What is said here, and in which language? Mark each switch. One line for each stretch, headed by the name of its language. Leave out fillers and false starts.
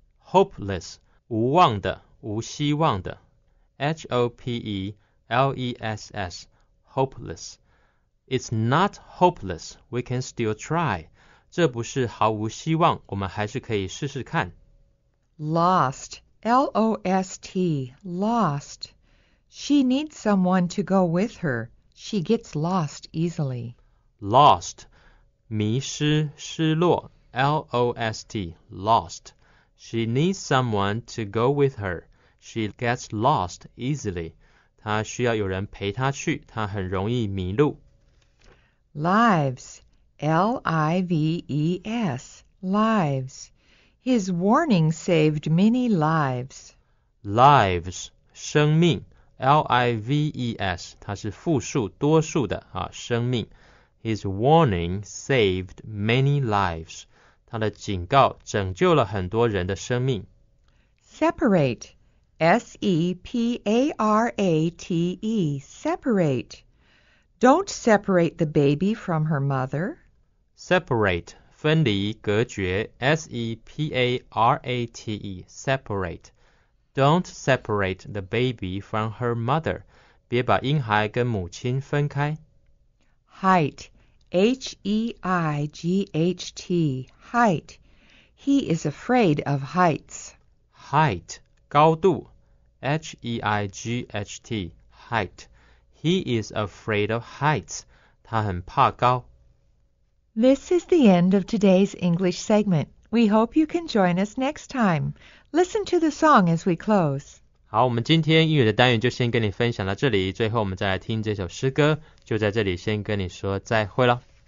Chinese: Hopeless, 无望的，无希望的。
English: H-O-P-E-L-E-S-S, hopeless. It's not hopeless. We can still try.
Chinese: 这不是毫无希望，我们还是可以试试看。
English: Lost, L-O-S-T, lost. She needs someone to go with her. She gets lost easily. Lost,
Chinese: 迷失、失落,
English: L-O-S-T, lost. She needs someone to go with her. She gets lost easily.
Chinese: 她需要有人陪她去,她很容易迷路。
English: Lives, L-I-V-E-S, lives. His warning saved many lives.
Chinese: Lives, 生命, L-I-V-E-S, 它是复数多数的啊，生命。
English: His warning saved many lives.
Chinese: 它的警告拯救了很多人的生命。
English: Separate, S-E-P-A-R-A-T-E, separate. Don't separate the baby from her mother. Separate.
Chinese: 分离隔绝
English: S-E-P-A-R-A-T-E Separate Don't separate the baby from her mother
Chinese: 别把婴孩跟母亲分开
English: Height H-E-I-G-H-T Height He is afraid of heights Height 高度 H-E-I-G-H-T Height He is afraid of heights
Chinese: 他很怕高
English: This is the end of today's English segment. We hope you can join us next time. Listen to the song as we close.
Chinese: 好，我们今天英语的单元就先跟你分享到这里。最后我们再来听这首诗歌，就在这里先跟你说再会了。